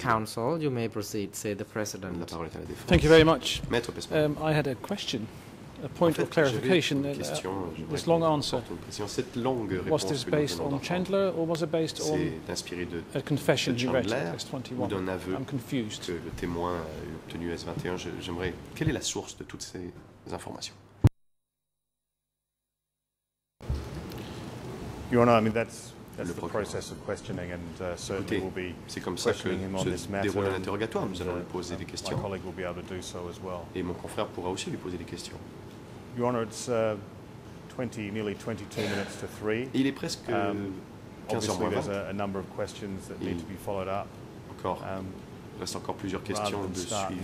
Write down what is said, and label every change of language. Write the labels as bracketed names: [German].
[English] Council, you may proceed, say the president. [French] La parole est à la défense. [English] Thank you very much. [French] Maître Pesman. [English] I had a question. a point of clarification, this long answer. Was this based on Chandler or was it based on a confession you read at S21? I'm confused. [French] Que le témoin a obtenu S21, j'aimerais... Quelle est la source de toutes ces informations? [English] Your Honor, I mean, that's the process of questioning, and certainly we'll be questioning him on this matter. [French] Déroule l'interrogatoire. Nous allons lui poser des questions. [English] My colleague will be able to do so as well. [French] Et mon confrère pourra aussi lui poser des questions. [English] Your Honor, it's nearly 22 minutes to 3. [French] Il est presque 15h20. [English] Obviously, there's a number of questions that need to be followed up. [French] Encore. Reste encore plusieurs questions de suivi.